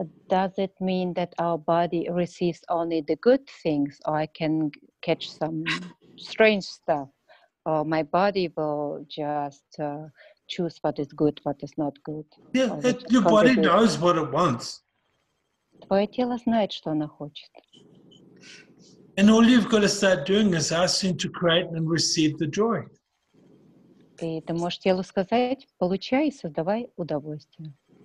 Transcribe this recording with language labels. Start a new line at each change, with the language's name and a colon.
English: Does it mean that our body receives only the good things, or I can catch some strange stuff, or my body will just choose what is good, what is not good? Yeah, your body knows what it wants.
Russian: Твое тело знает, что оно хочет.
English: And all you've got to start doing is asking to create and receive the joy.
Russian: И ты можешь телу сказать, получай и создавай удовольствие.